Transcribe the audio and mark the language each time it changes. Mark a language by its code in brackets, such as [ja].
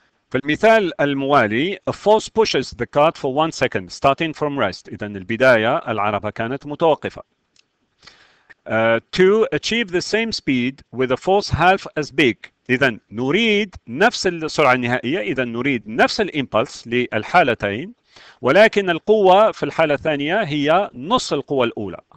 [ar] في المثال الموالي، [en] a force pushes the cart for 1 second starting from rest. [ar] إذن البداية العربة كانت متوقفة. [en] To achieve the same speed with a force half as big. [ar] إذن نريد نفس السرعة النهائية، إذن نريد نفس الإمبلس للحالتين، ولكن القوة في الحالة الثانية هي نص القوة الأولى.